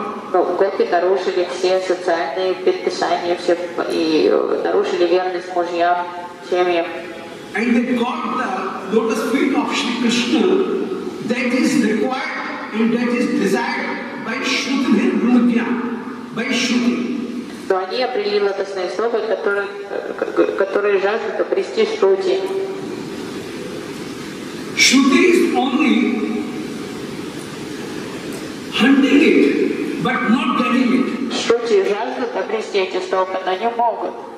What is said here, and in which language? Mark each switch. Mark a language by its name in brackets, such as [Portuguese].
[Russian] Но Гопи нарушили все социальные предписания, все и нарушили верность мужьям, семьям. [English] And they got the lotus feet of Shri Krishna that is required and that is desired by Shruti and Rudra, by Shruti. [Russian] Но они обрели лотосные стопы, которые жаждут обрести Шрути. [English] Shruti is only hunting it, but not getting it. [Russian] Shruti жаждут обрести эти стопы, но не могут.